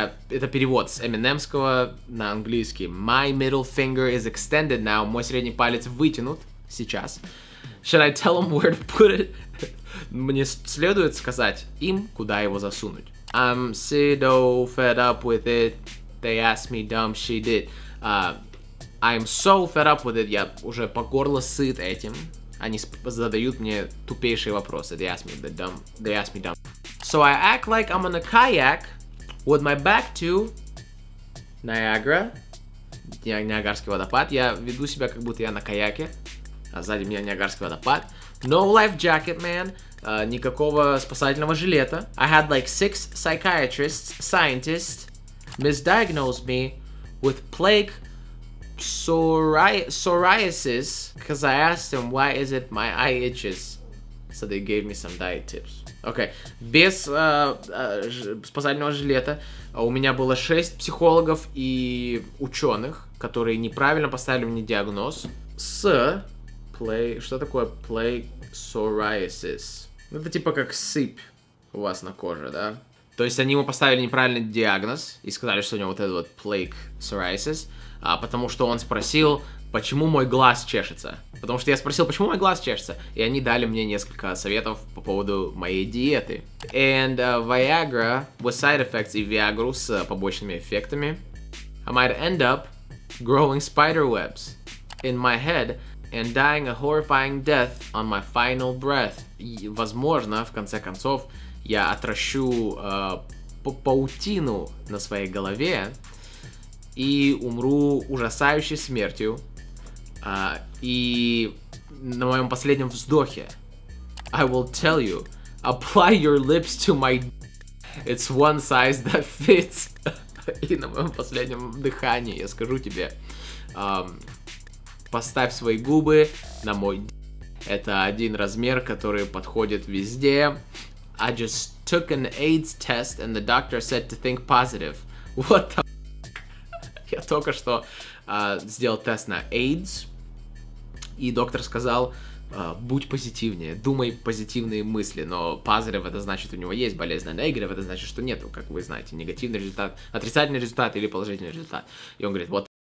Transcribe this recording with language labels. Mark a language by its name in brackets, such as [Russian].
[Russian] Это перевод с Eminem-ского на английский. [English] My middle finger is extended now. [Russian] Мой средний палец вытянут сейчас. [English] Should I tell them where to put it? [Russian] Мне следует сказать им, куда его засунуть. [English] I'm so fed up with it. They asked me dumb she did. I'm so fed up with it. [Russian] Я уже по горло сыт этим. Они задают мне тупейшие вопросы. [English] They asked me the dumb. They asked me dumb. So I act like I'm on a kayak with my back to Niagara. [Russian] Ниагарский водопад. Я веду себя, как будто я на каяке, а сзади меня Ниагарский водопад. [English] No life jacket, man. [Russian] Никакого спасательного жилета. [English] I had like 6 psychiatrists, scientists, misdiagnosed me with plague psoriasis, because I asked them why is it my eye itches, so they gave me some diet tips. [Russian] Okay, без спасательного жилета у меня было 6 психологов и ученых, которые неправильно поставили мне диагноз с plague. Что такое plague psoriasis? Это типа как сыпь у вас на коже, да? То есть они ему поставили неправильный диагноз и сказали, что у него вот этот вот plague psoriasis, потому что он спросил, почему мой глаз чешется. Потому что я спросил, почему мой глаз чешется. И они дали мне несколько советов по поводу моей диеты. [English] And Viagra with side effects, [Russian] и Viagra с побочными эффектами. [English] I might end up growing spider webs in my head and dying a horrifying death on my final breath. [Russian] И, возможно, в конце концов, я отращу паутину на своей голове и умру ужасающей смертью. И на моем последнем вздохе. [English] I will tell you, apply your lips to my d***. It's one size that fits. [Russian] И на моем последнем дыхании я скажу тебе... Поставь свои губы на мой d***. Это один размер, который подходит везде. [English] I just took an AIDS test and the doctor said to think positive. What the f***? [Russian] Я только что сделал тест на AIDS. И доктор сказал, будь позитивнее, думай позитивные мысли. Но positive — это значит, у него есть болезнь. А negative — это значит, что нету, как вы знаете. Негативный результат, отрицательный результат или положительный результат. И он говорит, вот.